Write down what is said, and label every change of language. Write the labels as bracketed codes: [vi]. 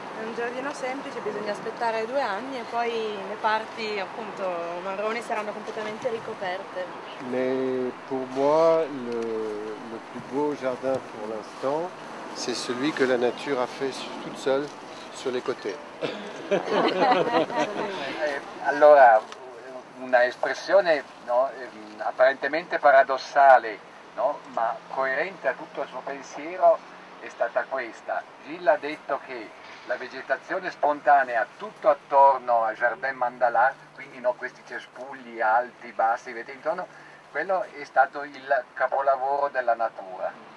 [it] Un giardino semplice, bisogna aspettare due anni e poi le parti appunto marroni saranno completamente ricoperte. [fr] Mais pour moi le plus beau jardin pour l'instant, c'est celui que la nature a fait toute seule sur les côtés. [it] Allora, una espressione, no, apparentemente paradossale, no, ma coerente a tutto il suo pensiero è stata questa. Gilles ha detto che la vegetazione spontanea tutto attorno al Jardin Mandala, quindi no, questi cespugli alti, bassi, vedete intorno, quello è stato il capolavoro della natura.